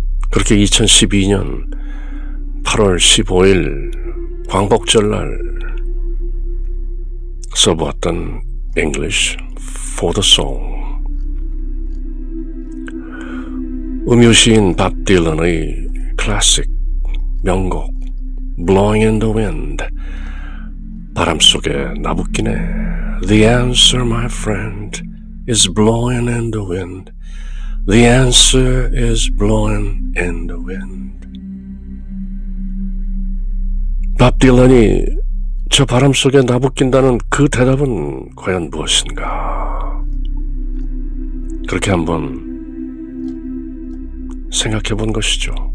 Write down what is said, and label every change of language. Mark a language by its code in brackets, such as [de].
[ko] 그렇게 2012년 8월 15일 광복절날 써보았던 English for the soul. 음유시인 밥 딜런의 클래식 명곡 Blowing in the Wind, 바람 속에 나붓기네. [en] The answer, my friend, is blowing in the wind. The answer is blowing in the wind. [ko] 밥 딜런이 저 바람 속에 나붓긴다는 그 대답은 과연 무엇인가? 그렇게 한번 생각해 본 것이죠.